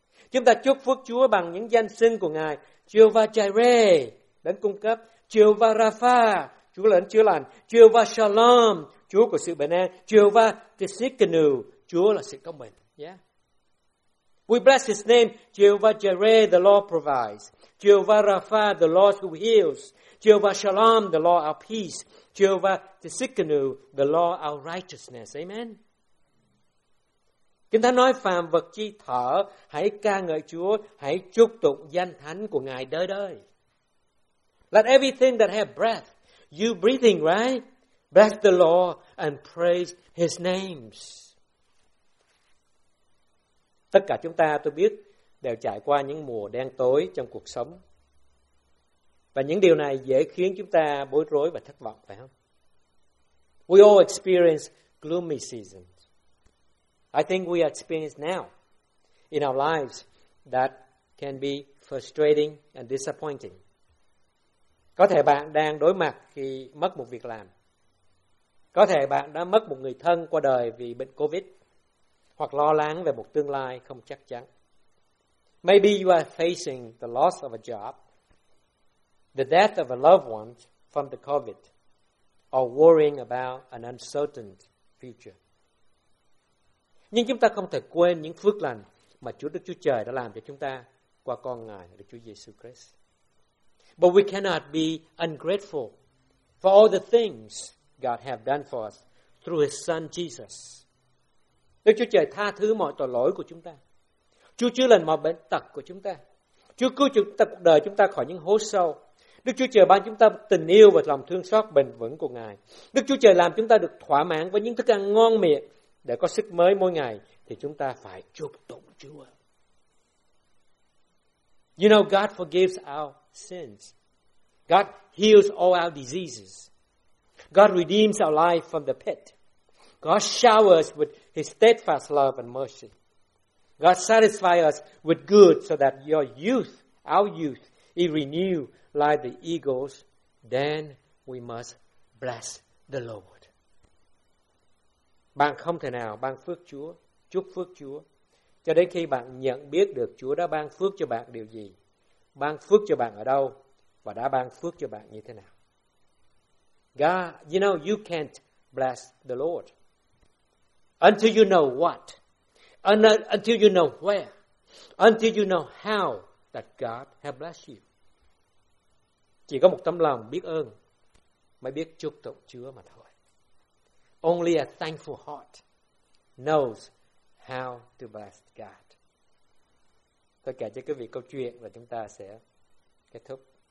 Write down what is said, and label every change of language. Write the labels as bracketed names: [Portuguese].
[Vietnamese] Chúng ta chúc phước Chúa bằng những danh xưng của Ngài, Jehovah Jireh, đấng cung cấp, Jehovah Rapha, Chúa là đấng chữa lành, Jehovah Shalom, Chúa của sự bình an, Jehovah Tsidkenu, Chúa là sự công bình. [English] Yeah. We bless His name, Jehovah Jireh, the Lord provides, Jehovah Rapha, the Lord who heals, Jehovah Shalom, the Lord our peace, Jehovah Tsidkenu, the Lord our righteousness. Amen. [Vietnamese] Kinh Thánh nói phàm vật chi thở, hãy ca ngợi Chúa, hãy chúc tụng danh thánh của Ngài đời đời. [English] Let everything that have breath, you breathing, right? Bless the Lord and praise His names. [Vietnamese] Tất cả chúng ta tôi biết đều trải qua những mùa đen tối trong cuộc sống. Và những điều này dễ khiến chúng ta bối rối và thất vọng, phải không? [English] We all experience gloomy seasons. I think we experience now in our lives that can be frustrating and disappointing. [Vietnamese] Có thể bạn đang đối mặt khi mất một việc làm. Có thể bạn đã mất một người thân qua đời vì bệnh COVID hoặc lo lắng về một tương lai không chắc chắn. [English] Maybe you are facing the loss of a job, the death of a loved one from the COVID, or worrying about an uncertain future. [Vietnamese] Nhưng chúng ta không thể quên những phước lành mà Chúa Đức Chúa Trời đã làm cho chúng ta qua con Ngài, Đức Chúa Giê-xu Christ. [English] But we cannot be ungrateful for all the things God has done for us through His Son Jesus. [Vietnamese] Đức Chúa Trời tha thứ mọi tội lỗi của chúng ta. Chúa chữa lành mọi bệnh tật của chúng ta. Chúa cứu chúng ta cuộc đời chúng ta khỏi những hố sâu. Đức Chúa Trời ban chúng ta tình yêu và lòng thương xót bền vững của Ngài. Đức Chúa Trời làm chúng ta được thỏa mãn với những thức ăn ngon miệng để có sức mới mỗi ngày, thì chúng ta phải chúc tụng Chúa. [English] You know, God forgives our sins. God heals all our diseases. God redeems our life from the pit. God showers with His steadfast love and mercy. God satisfies us with good so that your youth, our youth, is renewed like the eagles. Then we must bless the Lord. [Vietnamese] Bạn không thể nào ban phước Chúa, chúc phước Chúa, cho đến khi bạn nhận biết được Chúa đã ban phước cho bạn điều gì, ban phước cho bạn ở đâu, và đã ban phước cho bạn như thế nào. [English] God, you know, you can't bless the Lord until you know what, until you know where, until you know how that God has blessed you. [Vietnamese] Chỉ có một tấm lòng biết ơn mới biết chúc tụng Chúa mà thôi. [English] Only a thankful heart knows how to bless God. [Vietnamese] Tôi kể cho quý vị câu chuyện và chúng ta sẽ kết thúc.